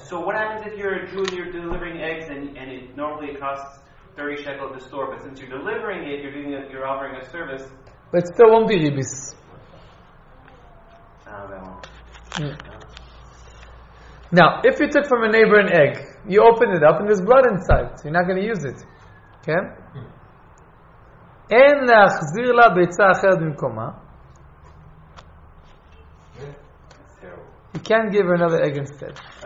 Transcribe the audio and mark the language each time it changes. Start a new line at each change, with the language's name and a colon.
English: So what happens if you're a Jew and you're delivering eggs and it normally costs 30 shekel at the store, but since you're delivering it, you're giving you're offering a service. But still won't be ribis. No, they won't. Now, if you took from a neighbor an egg, you open it up and there's blood inside. So you're not going to use it. Okay?
Hebrew: אין להחזיר לה ביצה אחרת במקומה.
English: You can't give her another egg instead.